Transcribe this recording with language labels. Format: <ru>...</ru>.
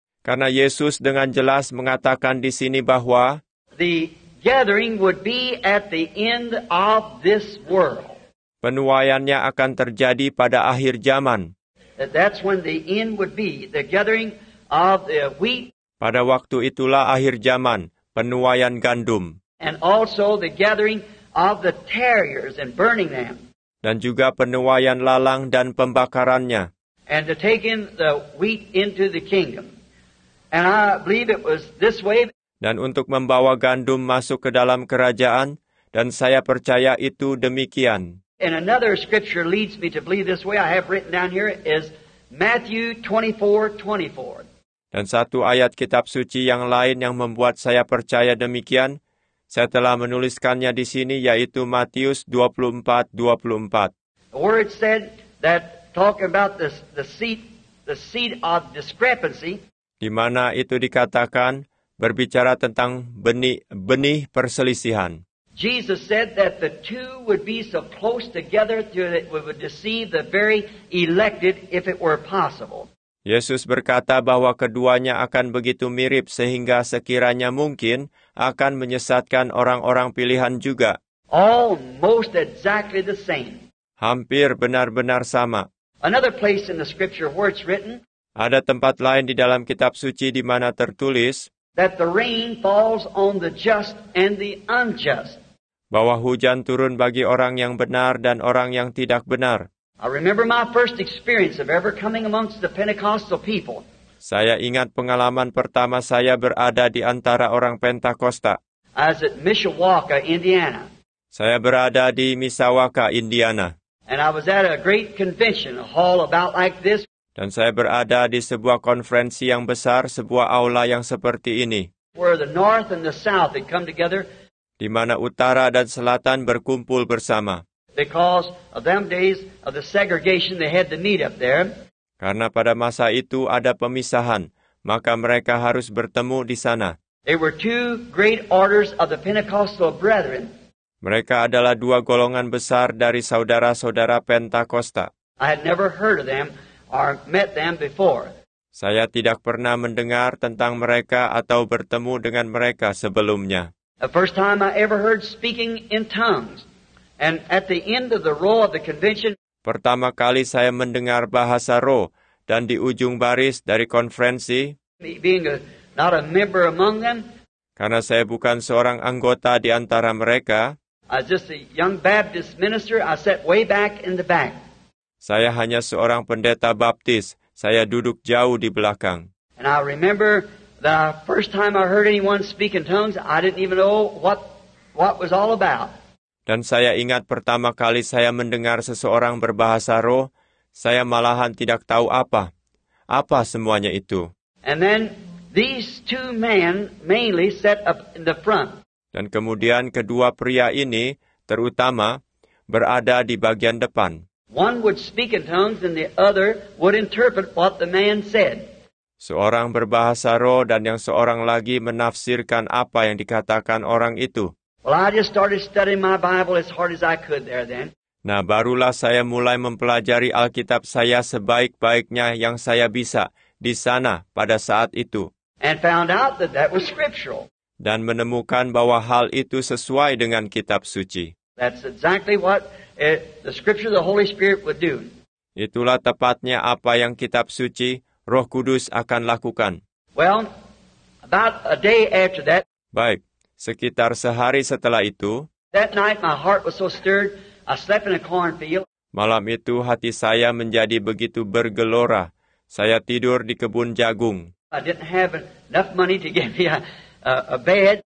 <id>Karena Yesus dengan jelas mengatakan di sini bahwa</id> <en>the gathering would be at the end of this world.</en> <id>Penuaiannya akan terjadi pada akhir zaman.</id> <en>That's when the end would be, the gathering of the wheat.</en> <id>Pada waktu itulah akhir zaman, penuaian gandum.</id> <en>And also the gathering of the tares and burning them.</en> <id>Dan juga penuaian lalang dan pembakarannya.</id> <en>And to take in the wheat into the kingdom. And I believe it was this way.</en> <id>Dan untuk membawa gandum masuk ke dalam kerajaan, dan saya percaya itu demikian.</id> <en>And another scripture leads me to believe this way. I have written down here is Matthew 24:24.</en> <id>Dan satu ayat kitab suci yang lain yang membuat saya percaya demikian, saya telah menuliskannya di sini, yaitu Matius 24:24.</id> <en>The word said that talking about the seed of discrepancy.</en> <id>Di mana itu dikatakan berbicara tentang benih perselisihan.</id> <en>Jesus said that the two would be so close together that it would deceive the very elected if it were possible.</en> <id>Yesus berkata bahwa keduanya akan begitu mirip sehingga sekiranya mungkin akan menyesatkan orang-orang pilihan juga.</id> <en>Almost exactly the same.</en> <id>Hampir benar-benar sama.</id> <en>Another place in the scripture where it's written.</en> <id>Ada tempat lain di dalam kitab suci di mana tertulis</id> <en>that the rain falls on the just and the unjust.</en> <id>Bahwa hujan turun bagi orang yang benar dan orang yang tidak benar.</id> <en>I remember my first experience of ever coming amongst the Pentecostal people.</en> <id>Saya ingat pengalaman pertama saya berada di antara orang Pentakosta.</id> <en>As at Mishawaka, Indiana.</en> <id>Saya berada di Mishawaka, Indiana.</id> <en>And I was at a great convention, a hall about like this.</en> <id>Dan saya berada di sebuah konferensi yang besar, sebuah aula yang seperti ini.</id> <en>Where the north and the south had come together.</en> <id>Di mana utara dan selatan berkumpul bersama.</id> <en>Because of them days of the segregation, they had to meet up there.</en> <id>Karena pada masa itu ada pemisahan, maka mereka harus bertemu di sana.</id> <en>They were two great orders of the Pentecostal brethren.</en> <id>Mereka adalah dua golongan besar dari saudara-saudara Pentakosta.</id> <en>I had never heard of them. Or met them before.</en> <id>Saya tidak pernah mendengar tentang mereka atau bertemu dengan mereka sebelumnya.</id> <en>The first time I ever heard speaking in tongues, and at the end of the row of the convention.</en> <id>Pertama kali saya mendengar bahasa roh dan di ujung baris dari konferensi.</id> <en>Being not a member among them.</en> <id>Karena saya bukan seorang anggota di antara mereka.</id> <en>As just a young Baptist minister, I sat way back in the back.</en> <id>Saya hanya seorang pendeta Baptis. Saya duduk jauh di belakang.</id> <en>And I remember the first time I heard anyone speak in tongues, I didn't even know what was all about.</en> <id>Dan saya ingat pertama kali saya mendengar seseorang berbahasa roh, saya malahan tidak tahu apa semuanya itu.</id> <en>And then these two men mainly sat up in the front.</en> <id>Dan kemudian kedua pria ini terutama berada di bagian depan.</id> <en>One would speak in tongues and the other would interpret what the man said.</en> <id>Seorang berbahasa roh dan yang seorang lagi menafsirkan apa yang dikatakan orang itu.</id> <en>Well, I just started studying my Bible as hard as I could there then.</en> <id>Nah, barulah saya mulai mempelajari Alkitab saya sebaik-baiknya yang saya bisa di sana pada saat itu.</id> <en>And found out that that was scriptural.</en> <id>Dan menemukan bahwa hal itu sesuai dengan kitab suci.</id> <en>That's exactly what the scripture the Holy Spirit would do.</en> <id>Itulah tepatnya apa yang kitab suci Roh Kudus akan lakukan.</id> <en>Well, about a day after that.</en> <id>Baik, sekitar sehari setelah itu.</id> <en>That night my heart was so stirred, I slept in a cornfield.</en> <id>Malam itu hati saya menjadi begitu bergelora. Saya tidur di kebun jagung.</id> <en>I didn't have enough money to give me a bed.</en>